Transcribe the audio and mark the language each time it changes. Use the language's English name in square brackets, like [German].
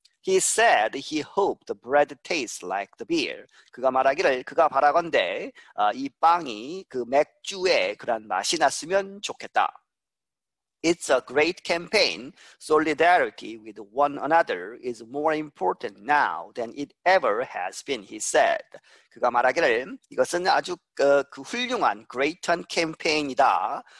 [English] He said he hoped the bread tastes like the beer. [Korean] 그가 말하기를 그가 바라건대 이 빵이 그 맥주의 그런 맛이 났으면 좋겠다. [English] It's a great campaign. Solidarity with one another is more important now than it ever has been, he said. [Korean] 그가 말하기를 이것은 아주 그 훌륭한 great한 캠페인이다.